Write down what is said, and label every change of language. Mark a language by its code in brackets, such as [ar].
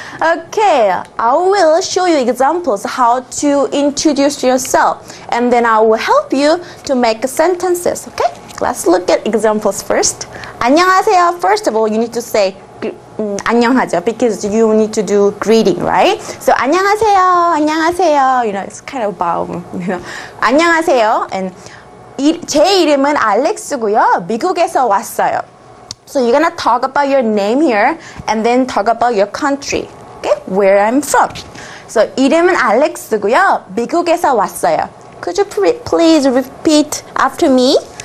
[en] Okay, I will show you examples how to introduce yourself. And then I will help you to make sentences, okay? Let's look at examples first. [ko] 안녕하세요. [en] First of all, you need to say [ko] 안녕하죠. [en] Because you need to do greeting, right? So [ko] 안녕하세요, 안녕하세요. [en] You know, it's kind of bow. You know, [ko] 안녕하세요. And 제 이름은 알렉스고요. 미국에서 왔어요. [en] So you're gonna talk about your name here, and then talk about your country. Okay, where I'm from. So [ko] 이름은 알렉스고요. 미국에서 왔어요. [en] Could you please repeat after me?